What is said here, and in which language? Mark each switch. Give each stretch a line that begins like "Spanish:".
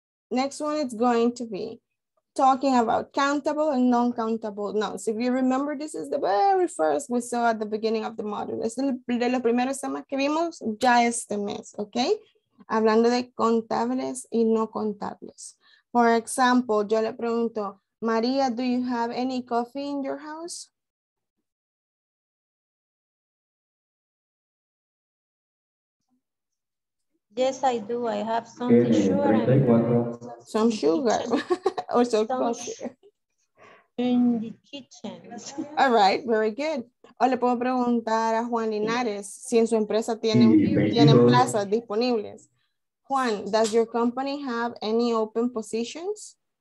English: Next one is going to be talking about countable and non-countable nouns. If you remember, this is the very first we saw at the beginning of the module.
Spanish: Es de los primeros temas que vimos ya este mes, okay? Hablando de contables y no contables. For example, yo le pregunto, María,
English: do you have any coffee in your house? Yes, I do. I have some sugar. Some sugar. Or in the kitchen. All right, very good.
Spanish: O le puedo preguntar a Juan Linares si en su empresa tienen plazas disponibles.
English: Juan, does your company have any open positions?